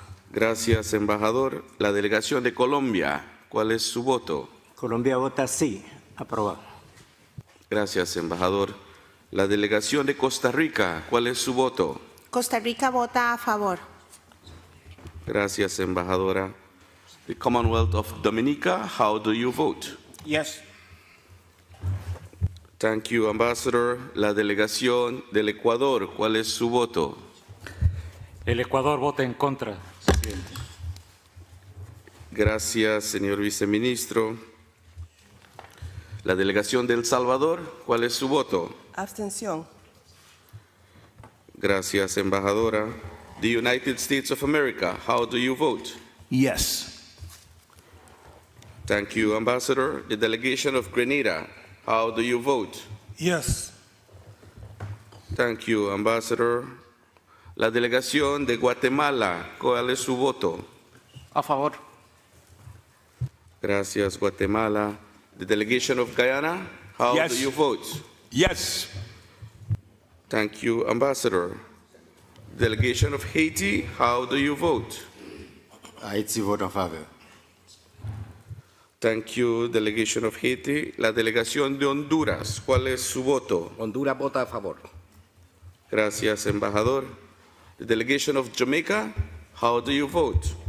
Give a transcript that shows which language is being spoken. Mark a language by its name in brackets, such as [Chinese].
[Spanish] Gracias, embajador. La delegación de Colombia, ¿cuál es su voto? Colombia vota sí. Aprobado. Gracias, embajador. La delegación de Costa Rica, ¿cuál es su voto? Costa Rica vota a favor. Gracias, embajadora. [English] The Commonwealth of Dominica, how do you vote? Yes. Thank you, Ambassador. [Spanish] La delegación del Ecuador, ¿cuál es su voto? El Ecuador vota en contra. Gracias, señor viceministro. La delegación de El Salvador, ¿cuál es su voto? Abstención. Gracias, embajadora. [English] The United States of America, how do you vote? Yes. Thank you, Ambassador. The delegation of Grenada, how do you vote? Yes. Thank you, Ambassador. [Spanish] La delegación de Guatemala, ¿cuál es su voto? A favor. Gracias, Guatemala. [English] The delegation of Guyana, How yes. do you vote? Yes. Thank you, Ambassador. Delegation of Haiti, how do you vote? [French] Haiti vote en faveur. [English] Thank you, Delegation of Haiti. [Spanish] La delegación de Honduras, ¿cuál es su voto? Honduras vota a favor. Gracias, embajador. [English] The Delegation of Jamaica, how do you vote?